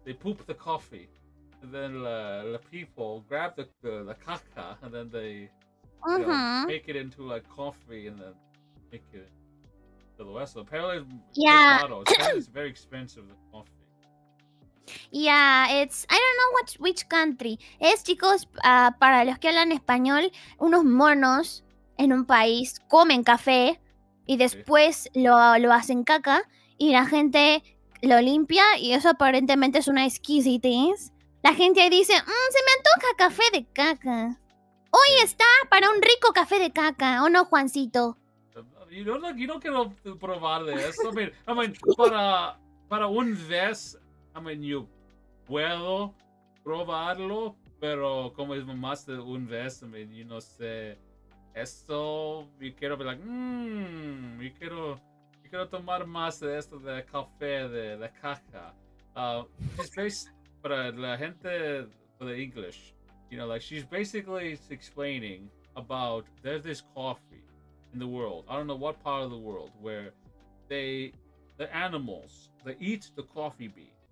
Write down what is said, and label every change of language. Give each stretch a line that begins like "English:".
English: They poop the coffee, and then the people grab the caca, and then they make it into like coffee, and then make it to the rest. So apparently, it's very expensive, the coffee. Yeah, it's... I don't know which country.
Spanish: Es, chicos, para los que hablan español, unos monos en un país comen café y después lo hacen caca y la gente lo limpia y eso aparentemente es una exquisitez. La gente ahí dice, se me antoja café de caca. Hoy está para un rico café de caca, ¿o no, Juancito? Yo no quiero probar de eso.
English: I mean,
Spanish: para un vez...
English: I mean,
Spanish: yo puedo probarlo, pero como es más de un vez, I mean, yo no sé esto. Yo quiero ver, yo quiero tomar más de esto de café, de caca.
English: She's
Spanish: para la gente de
English: English, you know, like she's basically explaining about there's this coffee in the world. I don't know what part of the world where the animals, they eat the coffee bean.